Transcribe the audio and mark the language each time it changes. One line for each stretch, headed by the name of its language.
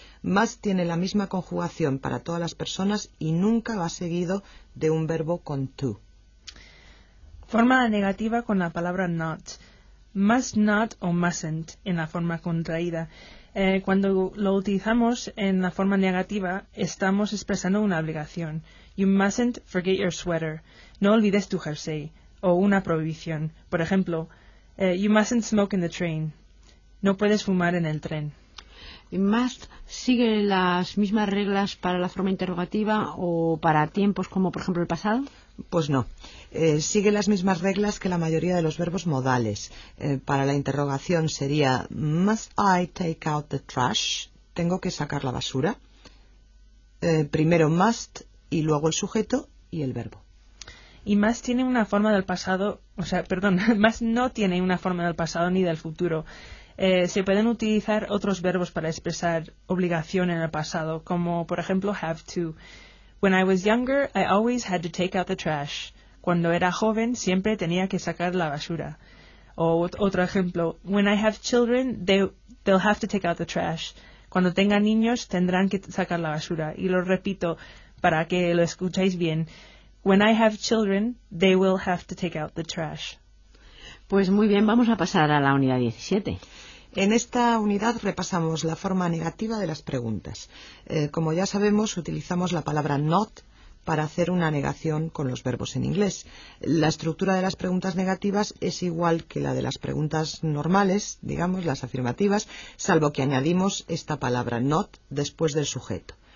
Spanish: Must tiene la misma conjugación para todas las personas y nunca va seguido de un verbo con to. Forma negativa con la palabra not. Must not o mustn't en la forma contraída. Cuando lo utilizamos en la forma negativa, estamos expresando una obligación.
English: You mustn't forget your sweater.
Spanish: No olvides tu jersey. O una prohibición. Por ejemplo,
English: you mustn't smoke in the train.
Spanish: No puedes fumar en el tren. ¿Y must sigue las mismas reglas para la forma interrogativa o para tiempos como, por ejemplo, el pasado? Pues no. Sigue las mismas reglas que la mayoría de los verbos modales. Para la interrogación sería
English: must I take out the trash?
Spanish: ¿Tengo que sacar la basura? Primero must y luego el sujeto y el verbo. Y must tiene una forma del pasado, o sea, perdón, must no tiene una forma del pasado ni del futuro. Se pueden utilizar otros verbos para expresar obligación en el pasado, como por ejemplo have to.
English: When I was younger, I always had to take out the trash.
Spanish: Cuando era joven, siempre tenía que sacar la basura. O otro ejemplo,
English: when I have children, they'll have to take out the trash.
Spanish: Cuando tenga niños, tendrán que sacar la basura. Y lo repito para que lo escuchéis bien.
English: When I have children, they will have to take out the trash.
Spanish: Pues muy bien, vamos a pasar a la unidad 17. En esta unidad repasamos la forma negativa de las preguntas. Como ya sabemos, utilizamos la palabra not para hacer una negación con los verbos en inglés. La estructura de las preguntas negativas es igual que la de las preguntas normales, digamos, las afirmativas, salvo que añadimos esta palabra not después del sujeto.